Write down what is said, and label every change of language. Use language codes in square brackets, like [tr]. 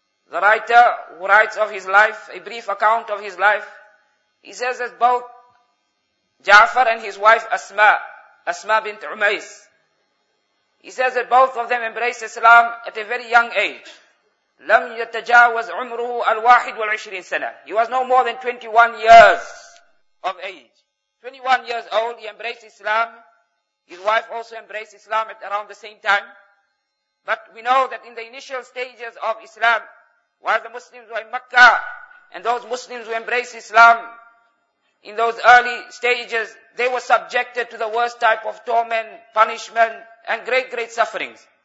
[en] The writer who writes of his life, a brief account of his life, he says that both Ja'far and his wife Asma bint Umays, he says that both of them embraced Islam at a very young age. [ar] لم يتجاوز عمره الواحد والعشرين سنة. [en] He was no more than 21 years of age. 21 years old, he embraced Islam. His wife also embraced Islam at around the same time. But we know that in the initial stages of Islam, while the Muslims were in Mecca, and those Muslims who embraced Islam in those early stages, they were subjected to the worst type of torment, punishment, and great, great sufferings.